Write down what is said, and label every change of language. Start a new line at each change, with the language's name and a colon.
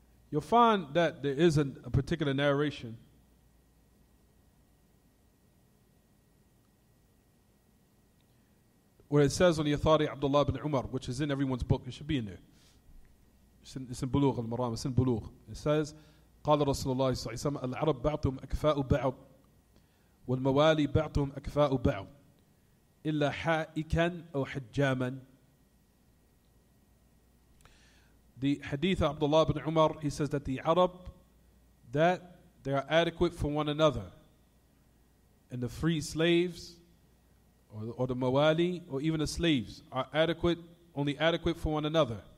English: You'll find that there is a particular narration. Where it says on the authority of Abdullah ibn Umar, which is in everyone's book, it should be in there. It's in Buloogh, Al-Maraam, it's in Buloogh. It says,
Arabic: قال رسول الله صلى الله عليه وسلم العرب بعضهم أكفاء بعض والموالي بعضهم أكفاء بعض إلا حائكا أو حجاما.
English: The hadith of Abdullah ibn Umar, he says that the Arab, that they are adequate for one another. And the free slaves, or the mawali, or even the slaves, are adequate, only adequate for one another.